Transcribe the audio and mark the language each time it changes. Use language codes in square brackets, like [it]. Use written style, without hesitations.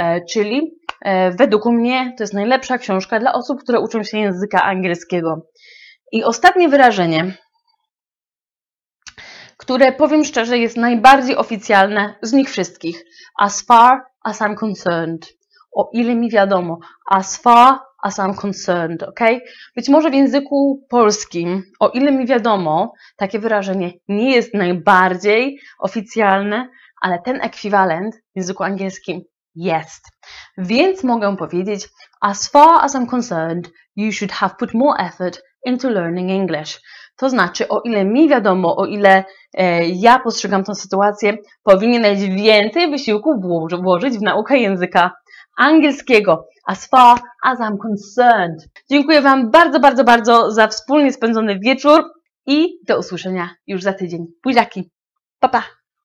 [pl] Czyli według mnie to jest najlepsza książka dla osób, które uczą się języka angielskiego. I ostatnie wyrażenie, które powiem szczerze, jest najbardziej oficjalne z nich wszystkich. [en] As far as I'm concerned. [pl] O ile mi wiadomo. [en] As far as I'm concerned, ok? [pl] Być może w języku polskim, o ile mi wiadomo, takie wyrażenie nie jest najbardziej oficjalne, ale ten ekwiwalent w języku angielskim jest. Więc mogę powiedzieć: [en] As far as I'm concerned, you should have put more effort into learning English. [pl] To znaczy, o ile mi wiadomo, o ile ja postrzegam tę sytuację, powinieneś więcej wysiłku włożyć w naukę języka angielskiego. [en] As far as I'm concerned. [pl] Dziękuję Wam bardzo, bardzo, bardzo za wspólnie spędzony wieczór i do usłyszenia już za tydzień. Buziaki. Pa, pa.